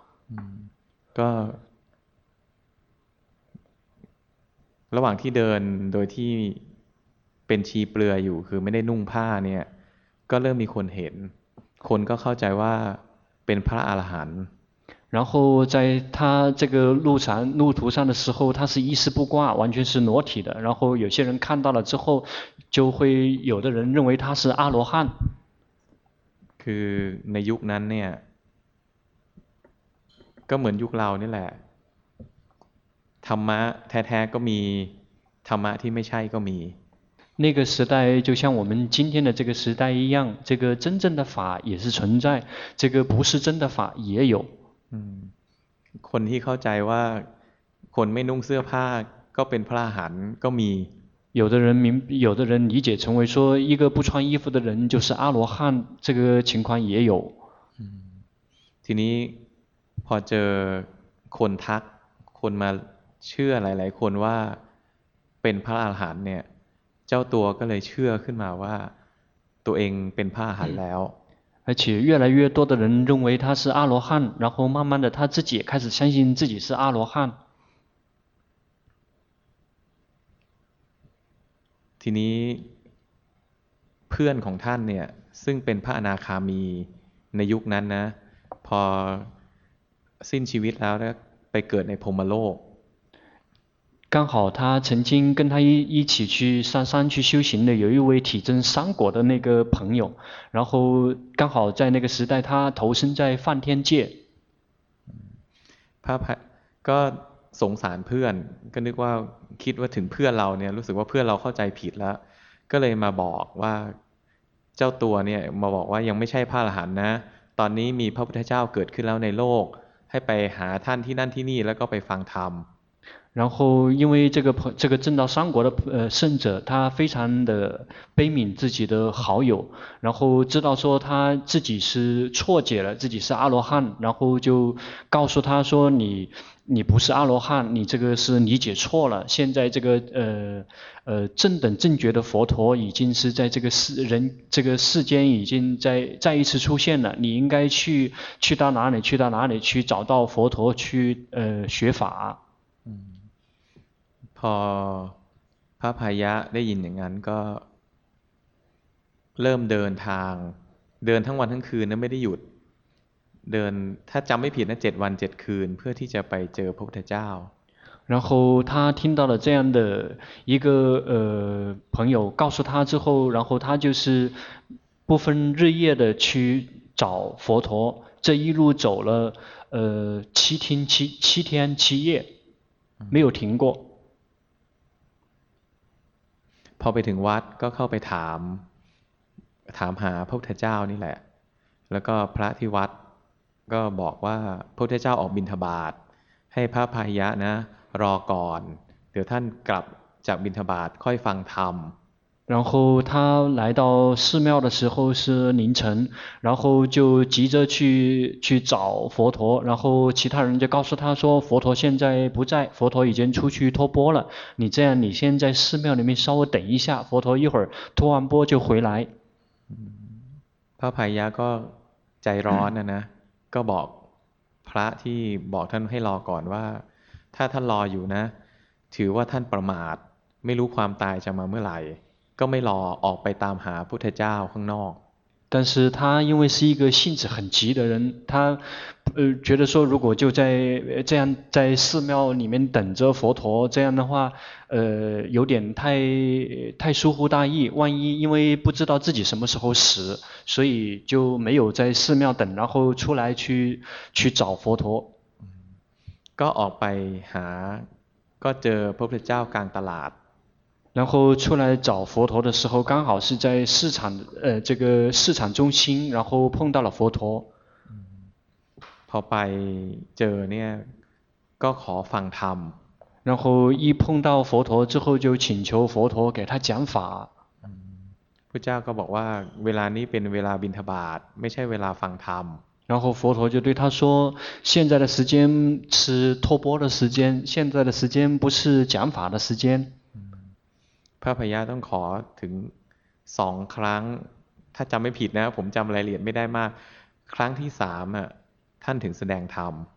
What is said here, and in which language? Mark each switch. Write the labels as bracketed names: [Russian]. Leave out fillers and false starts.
[Thai] 嗯，ก็ระหว่างที่เดินโดยที่เป็นชีเปลือยอยู่คือไม่ได้นุ่งผ้าเนี่ยก็เริ่มมีคนเห็นคนก็เข้าใจว่าเป็นพระอรหันต์ [Chinese] 然后在他这个路途上的时候，他是一丝不挂，完全是裸体的。然后有些人看到了之后，就会有的人认为他是阿罗汉。 [Thai] คือในยุคนั้นเนี่ยก็เหมือนยุคเรานี่แหละธรรมะแท้ๆก็มีธรรมะที่ไม่ใช่ก็มี [Chinese] 那个时代就像我们今天的这个时代一样，这个真正的法也是存在，这个不是真的法也有。 [Thai] คนที่เข้าใจว่าคนไม่นุ่งเสื้อผ้าก็เป็นพระอรหันต์ก็มี [Chinese] 有的人明有的人理解成为说一个不穿衣服的人就是阿罗汉这个情况也有 [Thai] ทีนี้พอเจอคนทักคนมาเชื่อหลายๆคนว่าเป็นพระอรหันต์เนี่ยเจ้าตัวก็เลยเชื่อขึ้นมาว่าตัวเองเป็นพระอรหันต์แล้ว [Chinese] 而且越来越多的人认为他是阿罗汉，然后慢慢的他自己也开始相信自己是阿罗汉。 [Thai] ทีนี้เพื่อนของท่านเนี่ยซึ่งเป็นพระอนาคามีในยุคนั้นนะพอสิ้นชีวิตแล้วไปเกิดในพรหมโลก [Chinese] 刚好他曾经跟他一起去上山去修行的有一位体证三果的那个朋友，然后刚好在那个时代他投身在梵天界。 [Thai] พระพก็สงสารเพื่อนก็นึกว่าคิดว่าถึงเพื่อนเราเนี่ยรู้สึกว่าเพื่อนเราเข้าใจผิดแล้วก็เลยมาบอกว่าเจ้าตัวเนี่ยมาบอกว่ายังไม่ใช่พระอรหันต์นะตอนนี้มีพระพุทธเจ้าเกิดขึ้นแล้วในโลกให้ไปหาท่านที่นั่นที่นี่แล้วก็ไปฟังธรรม [Chinese] 然后因为这个正道三国的圣者他非常的悲悯自己的好友然后知道说他自己是错解了自己是阿罗汉然后就告诉他说你不是阿罗汉你这个是理解错了现在这个正等正觉的佛陀已经是在这个世间已经再一次出现了你应该去到哪里去找到佛陀去学法 [Thai] พอพระพายะได้ยินอย่างนั้นก็เริ่มเดินทางเดินทั้งวันทั้งคืนนะไม่ได้หยุดเดินถ้าจำไม่ผิดนะ7วัน7คืนเพื่อที่จะไปเจอพระพุทธเจ้า [Chinese] 然后他听到了这样的一个朋友告诉他之后然后他就是不分日夜的去找佛陀这一路走了七天七夜没有停过 [Thai] พอไปถึงวัดก็เข้าไปถามหาพระพุทธเจ้านี่แหละแล้วก็พระที่วัดก็บอกว่าพระพุทธเจ้าออกบิณฑบาตให้พระพายะนะรอก่อนเดี๋ยวท่านกลับจากบิณฑบาตค่อยฟังธรรม [Chinese] 然后他来到寺庙的时候是凌晨然后就急着去找佛陀然后其他人就告诉他说佛陀现在不在佛陀已经出去托钵了你这样你先在寺庙里面稍微等一下佛陀一会儿托完钵就回来 [Thai] พระพายะก็ใจร้อนนะก็บอกพระที่บอกท่านให้รอก่อนว่าถ้าท่านรออยู่นะถือว่าท่านประมาทไม่รู้ความตายจะมาเมื่อไหร่ก็ไม่รอออกไปตามหาพุทธเจ้าข้างนอก [Chinese] 但是他因为是一个性子很急的人，他觉得说如果就在这样在寺庙里面等着佛陀这样的话，有点太疏忽大意，万一因为不知道自己什么时候死，所以就没有在寺庙等，然后出来去找佛陀。 [Thai] ก็ออกไปหาก็เจอพระพุทธเจ้ากลางตลาด [Chinese] 然后出来找佛陀的时候刚好是在市场这个市场中心然后碰到了佛陀 [Thai] พอไปเจอเนี่ยก็ขอฟังธรรม [Chinese] 然后一碰到佛陀之后就请求佛陀给他讲法 [Thai] พระเจ้าก็บอกว่าเวลานี้เป็นเวลาบิณฑบาตไม่ใช่เวลาฟังธรรม [Chinese] 然后佛陀就对他说现在的时间是托钵的时间现在的时间不是讲法的时间 [Thai] พระพยาต้องขอถึง2ครั้งถ้าจำไม่ผิดนะผมจำรายละเอียดไม่ได้มากครั้งที่3อ่ะท่านถึงแสดงธรรม